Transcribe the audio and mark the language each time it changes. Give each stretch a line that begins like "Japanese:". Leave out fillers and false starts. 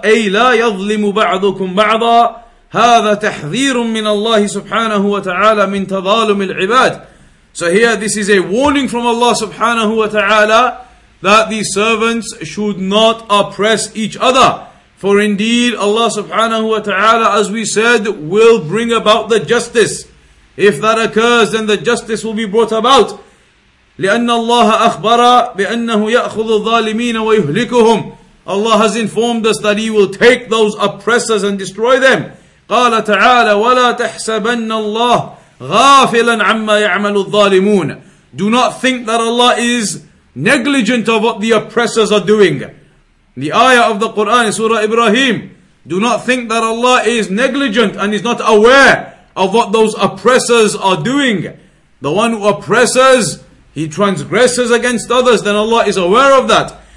Arabic: أَيْ لَا يَظْلِمُ بَعْضُكُمْ بَعْضًا. هَذَا تَحْذِيرٌ مِّنَ اللَّهِ سُبْحَانَهُ وَتَعَالَى مِنْ تَظَالُمِ الْعِبَادِ.
English: So here this is a warning from Allah subhanahu wa ta'ala that the servants should not oppress each other. For indeed, Allah subhanahu wa ta'ala, as we said, will bring about the justice. If that occurs, then the justice will be brought about.
Arabic: لأن الله أخبر بأنه يأخذ الظالمين ويهلكهم.
English: Allah has informed us that He will take those oppressors and destroy them.
Arabic: قال تعالى ولا تحسبن الله غافلا عما يعمل الظالمون.
English: Do not think that Allah is negligent of what the oppressors are doing. The ayah of the Quran in Surah Ibrahim. Do not think that Allah is negligent and is not aware of what those oppressors are doing. The one who oppresses, he transgresses against others, then Allah is aware of that.